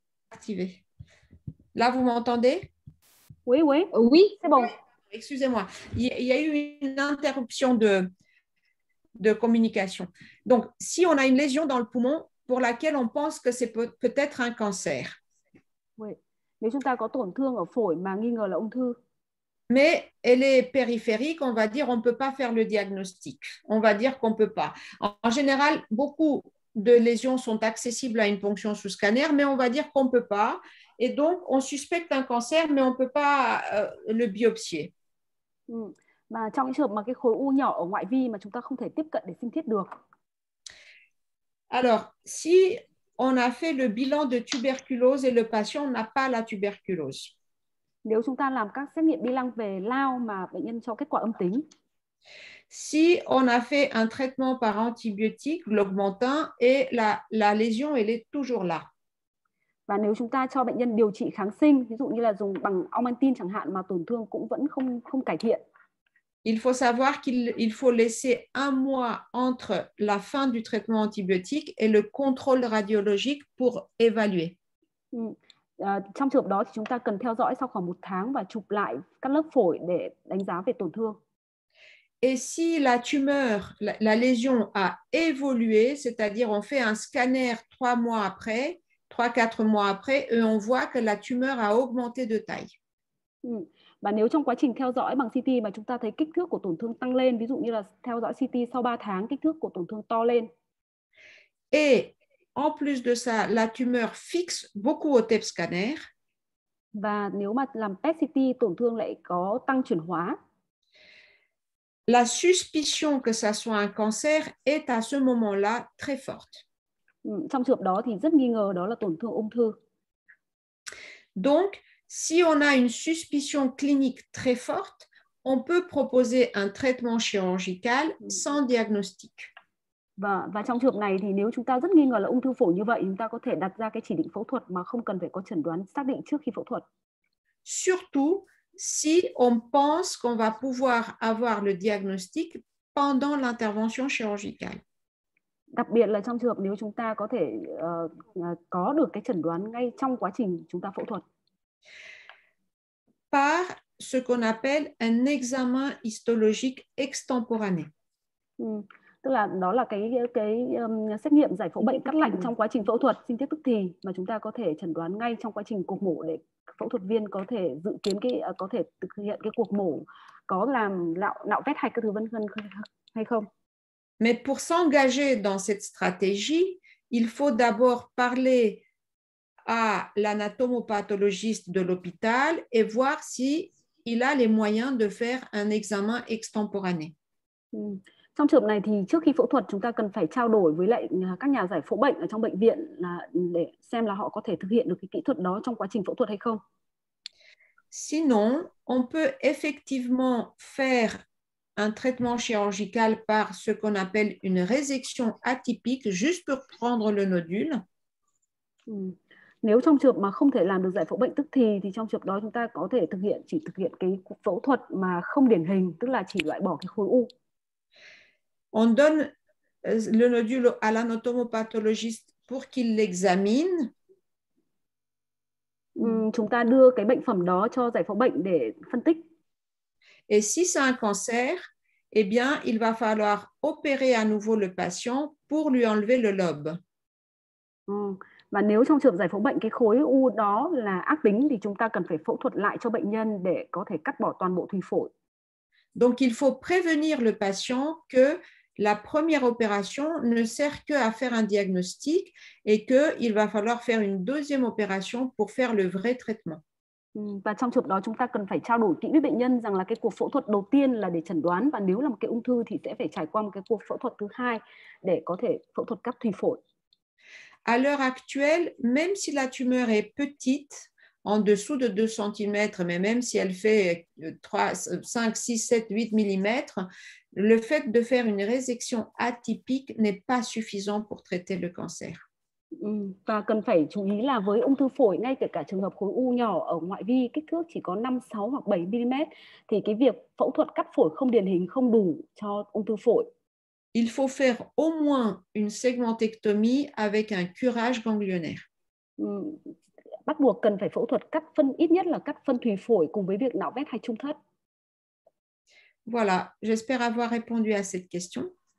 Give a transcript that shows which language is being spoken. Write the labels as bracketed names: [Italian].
[French] Activé. Là, vous m'entendez? Oui, oui. Oui, c'est bon. Excusez-moi, il y a eu une interruption de communication. Donc, si on a une lésion dans le poumon pour laquelle on pense que c'est peut-être un cancer. Oui. Mais [Vietnamese] chúng ta có tổn thương ở phổi mà nghi ngờ là ung thư. [French] Mais elle est périphérique, on va dire, on ne peut pas faire le diagnostic. On va dire qu'on ne peut pas. En général, beaucoup de lésions sont accessibles à une ponction sous scanner, mais on va dire qu'on ne peut pas. Et donc, on suspecte un cancer, mais on ne peut pas le biopsier. [Vietnamese] Mà trong cái trường mà cái khối u nhỏ ở ngoại vi mà chúng ta không thể tiếp cận để sinh thiết được. [French] Alors, si on a fait le bilan de tuberculose et le patient n'a pas la tuberculose. [Vietnamese] Nếu chúng ta làm các xét nghiệm bilan về lao mà bệnh nhân cho kết quả âm tính. [French] Si on a fait un traitement par antibiotique, l'augmentin, et la lésion, elle est toujours là. [Vietnamese] Và nếu chúng ta cho bệnh nhân điều trị kháng sinh, ví dụ như là dùng bằng augmentin chẳng hạn mà tổn thương cũng vẫn không cải thiện. [French] Il faut savoir qu'il faut laisser un mois entre la fin du traitement antibiotique et le contrôle radiologique pour évaluer. [Vietnamese] Trong trường hợp đó thì chúng ta cần theo dõi sau khoảng một tháng và chụp lại các lớp phổi để đánh giá về tổn thương. [French] Et si la tumeur, la lésion a évolué, c'est-à-dire on fait un scanner trois mois après, 3-4 mois après, et on voit que la tumeur a augmenté de taille. [Vietnamese] Và nếu trong quá trình theo dõi bằng CT mà chúng ta thấy kích thước của tổn thương tăng lên, ví dụ như là theo dõi CT sau 3 tháng, kích thước của tổn thương to lên. [French] Et en plus de ça, la tumeur fixe beaucoup au TEP scanner. [Vietnamese] Và nếu mà làm PET CT, tổn thương lại có tăng chuyển hóa. [French] La suspicion que ça soit un cancer est à ce moment-là très forte. [Vietnamese] Trong trường đó thì rất nghi ngờ đó là tổn thương ung thư. [French] Donc, si on a une suspicion clinique très forte, on peut proposer un traitement chirurgical sans diagnostic. [Vietnamese] Và trong trường này thì nếu chúng ta rất nghi ngờ là ung thư phổi như vậy, chúng ta có thể đặt ra cái chỉ định phẫu thuật mà không cần phải có chẩn đoán xác định trước khi phẫu thuật. [French] Surtout si on pense qu'on va pouvoir avoir le diagnostic pendant l'intervention chirurgicale. [Vietnamese] Đặc biệt là trong trường hợp nếu chúng ta có thể có được cái chẩn đoán ngay trong quá trình chúng ta phẫu thuật. [French] Par ce qu'on appelle un examen histologique extemporané. [Vietnamese] Tức là đó là cái xét nghiệm giải phẫu bệnh cắt lành trong quá trình phẫu thuật sinh thiết tức thì mà chúng ta có thể chẩn đoán ngay trong quá trình cuộc mổ để phẫu thuật viên có thể dự kiến có thể thực hiện cái cuộc mổ có làm nạo vét hay các thứ vân vân hay không. [French] Mais pour s'engager dans cette stratégie, il faut d'abord parler à l'anatomopathologiste de l'hôpital et voir si il a les moyens de faire un examen extemporané. [Vietnamese] Trong trường này thì trước khi phẫu thuật chúng ta cần phải trao đổi với lại các nhà giải phẫu bệnh ở trong bệnh viện là để xem là họ có thể thực hiện được cái kỹ thuật đó trong quá trình phẫu thuật hay không. [French] Sinon, on peut effectivement faire un traitement chirurgical par ce qu'on appelle une résection atypique juste pour prendre le nodule. [Vietnamese] Nếu trong trường mà không thể làm được giải phẫu bệnh tức thì trong trường đó chúng ta có thể chỉ thực hiện cái phẫu thuật mà không điển hình, tức là chỉ loại bỏ cái khối u. [French] On donne le nodule à l'anatomopathologiste pour qu'il l'examine. [Vietnamese] Chúng ta đưa cái bệnh phẩm đó cho giải phẫu bệnh để phân tích. [French] Et si c'est un cancer, eh bien, il va falloir opérer à nouveau le patient pour lui enlever le lobe. [Vietnamese] Và nếu trong trường giải phóng bệnh cái khối u đó là ác tính thì chúng ta cần phải phẫu thuật lại cho bệnh nhân để có thể cắt bỏ toàn bộ thùy phổi. [French] Donc, il faut prévenir le patient que la première opération ne sert que à faire un diagnostic et qu'il va falloir faire une deuxième opération pour faire le vrai traitement. [Vietnamese] Và trong trường hợp đó chúng ta cần phải trao đổi kỹ với bệnh nhân rằng là cái cuộc phẫu thuật đầu tiên là để chẩn đoán và nếu là một cái ung thư thì sẽ phải trải qua một cái cuộc phẫu thuật thứ hai để có thể phẫu thuật cắt thùy phổi. [French] À l'heure actuelle, même si la tumeur est petite, en dessous de 2 cm, mais même si elle fait 3, 5, 6, 7, 8 mm, le fait de faire une résection atypique n'est pas suffisant pour traiter le cancer. [Vietnamese] Và cần phải chú ý là với ung thư phổi ngay kể cả trường hợp khối u nhỏ ở ngoại vi kích thước chỉ có 5, 6 hoặc 7 mm thì cái việc phẫu thuật cắt phổi không điển hình không đủ cho ung thư phổi. [French] Il faut faire au moins une segmentectomie avec un curage ganglionnaire. [Vietnamese] Bắt buộc cần phải phẫu thuật cắt phân ít nhất là cắt phân thùy phổi cùng với việc nạo vét hay trung thất. [French] Voilà, j'espère avoir répondu à cette question.